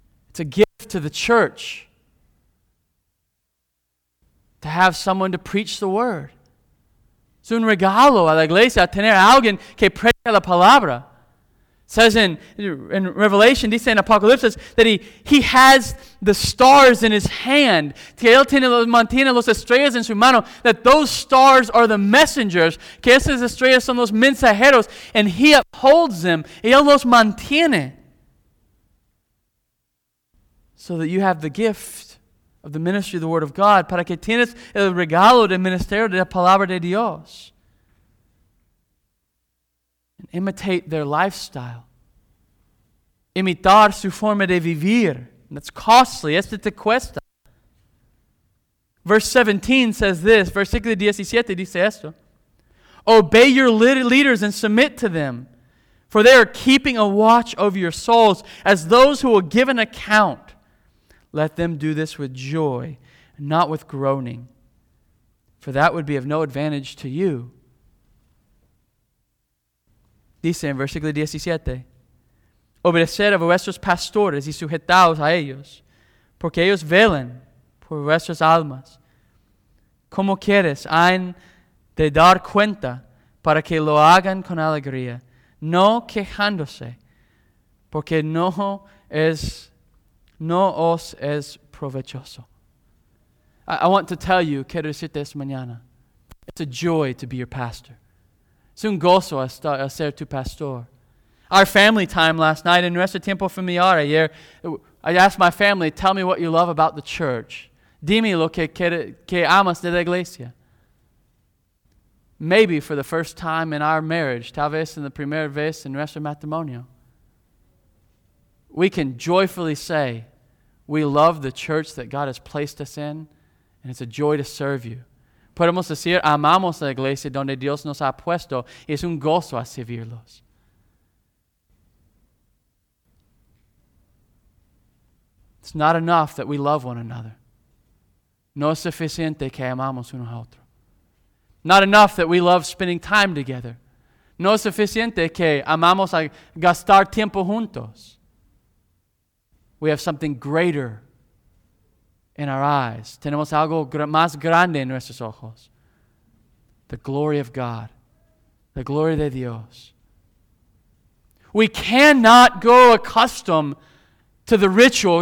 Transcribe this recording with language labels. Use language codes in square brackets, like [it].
[en] It's a gift to the church to have someone to preach the word. [es] Es un regalo a la iglesia tener a alguien que predica la palabra. [en] It says in Revelation, [es] dice en Apocalipsis, [en] that he has the stars in his hand. [es] Que él tiene, mantiene las estrellas en su mano. [en] That those stars are the messengers. [es] Que esas estrellas son los mensajeros. [en] And he upholds them. [es] Y él los mantiene. [en] So that you have the gift of the ministry of the Word of God. [es] Para que tienes el regalo del ministerio de la palabra de Dios. [en] Imitate their lifestyle. [es] Imitar su forma de vivir. [en] That's costly. [es] Esto te cuesta. [en] Verse 17 says this. [es] Versículo 17 dice esto. [en] Obey your leaders and submit to them, for they are keeping a watch over your souls as those who will give an account. Let them do this with joy, not with groaning, for that would be of no advantage to you. [es] Dice en versículo 17, obedecer a vuestros pastores y sujetaos a ellos, porque ellos velan por vuestras almas. Como quieres, han de dar cuenta para que lo hagan con alegría, no quejándose, porque no os es provechoso. [en] I want to tell you, [es] quiero decirte esta mañana, [en] it's a joy to be your pastor. [es] Es un gozo ser tu pastor. [en] Our family time last night in [es] nuestro tiempo familiar ayer, [en] I asked my family, tell me what you love about the church. [es] Dime lo que amas de la iglesia. [en] Maybe for the first time in our marriage, [es] tal vez en la primera vez en nuestro matrimonio, [en] we can joyfully say, we love the church that God has placed us in, and it's a joy to serve you. [es] Podemos decir, amamos la iglesia donde Dios nos ha puesto. Y es un gozo a servirlos. [en] It's not enough that we love one another. [es] No es suficiente que amamos uno a otro. [en] Not enough that we love spending time together. [es] No es suficiente que amamos a gastar tiempo juntos. [en] We have something greater in our eyes. [es] Tenemos algo más grande en nuestros ojos. [en] The glory of God. The glory [es] de Dios. [en] We cannot go accustomed to the ritual.